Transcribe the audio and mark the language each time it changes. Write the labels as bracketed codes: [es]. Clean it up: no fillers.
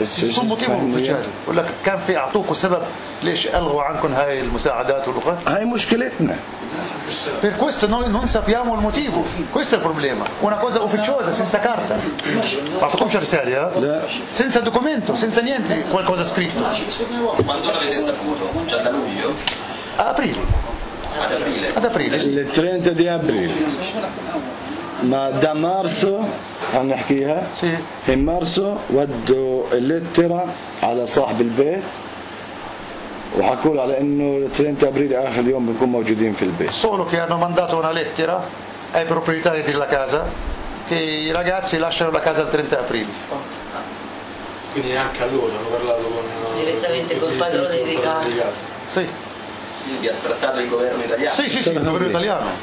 [ar] شو موتيف ومفجاري يقول لك كان في اعطوكم سبب ليش الغوا عنكم هاي المساعدات والوقف هاي مشكلتنا [it] per questo noi non sappiamo il motivo, questo è il problema, una cosa ufficiosa senza carta, ma tu cominci a risalire, eh? Senza documento, senza niente, qualcosa scritto. Quando l'avete saputo? Già da luglio? Ad aprile il 30 di aprile. [ar] ما دا مارسو عم نحكيها في مارسو ودوا اللترة على صاحب البيت وحكوا على انه 30 ابريل اخر يوم بنكون موجودين في البيت. [it] Solo che hanno mandato una lettera ai proprietari della casa che i ragazzi lasciano la casa il 30 aprile. Quindi neanche a loro, hanno parlato direttamente col padrone di casa. Sì. Vi ha sfrattato il governo italiano? Sì, il governo italiano.